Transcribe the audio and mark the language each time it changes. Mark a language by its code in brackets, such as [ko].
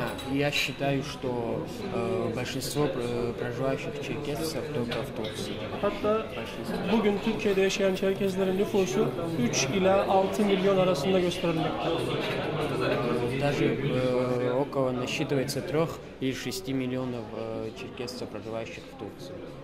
[ru] Я считаю, что большинство проживающих черкесов только в Турции. [tr] Hatta bugün Türkiye'de yaşayan Çerkezlerin nüfusu 3 ila 6 milyon arasında gösterilmekte. [ru] Даже около насчитывается 3 и 6 миллионов черкесов, проживающих в Турции.